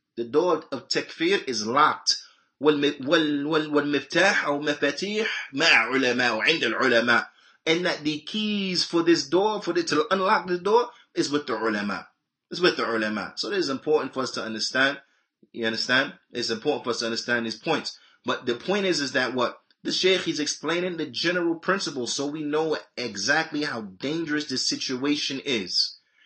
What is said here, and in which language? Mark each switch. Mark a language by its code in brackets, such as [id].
[en] The door of takfir is locked. [ar] والمفتاح أو مفاتيح مع علماء وعند العلماء. [en] And that the keys for this door, for it to unlock the door, is with the ulama. It's with the ulama. So it is important for us to understand. You understand? It's important for us to understand these points. But the point is that what? The Sheikh, he's explaining the general principle, so we know exactly how dangerous this situation is.